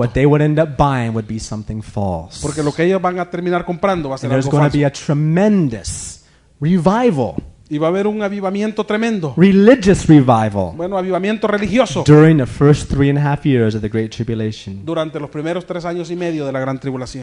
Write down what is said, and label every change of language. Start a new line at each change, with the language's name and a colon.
English: What they would end up buying would be something false.
Spanish: Porque lo que ellos van a terminar comprando va a ser algo falso.
English: Be a tremendous revival.
Spanish: Y va a haber un avivamiento tremendo.
English: Religious revival.
Spanish: Bueno, avivamiento religioso.
English: During the first 3.5 years of the Great Tribulation.
Spanish: Durante los primeros 3 años y medio de la Gran Tribulación.